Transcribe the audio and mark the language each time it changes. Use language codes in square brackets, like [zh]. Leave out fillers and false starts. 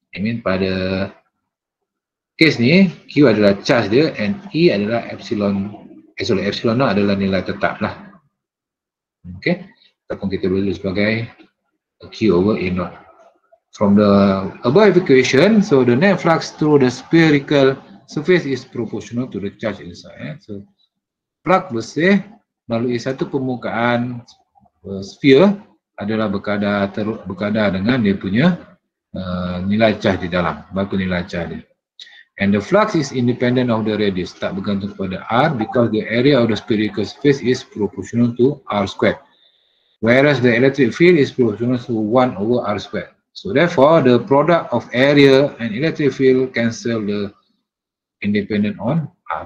[en] I mean [ms] pada case ni, Q adalah charge dia and E adalah epsilon naught adalah nilai tetap lah. Okay, ataupun kita boleh sebagai Q over A naught. [en] From the above equation, so the net flux through the spherical surface is proportional to the charge inside. [ms] So flux bersih melalui satu permukaan sphere adalah berkadar dengan dia punya nilai charge di dalam, berapa nilai charge dia. [en] And the flux is independent of the radius, [ms] tak bergantung kepada R, [en] because the area of the spherical surface is proportional to R squared, whereas the electric field is proportional to 1 over R squared. So therefore, the product of area and electric field cancel the independent on R.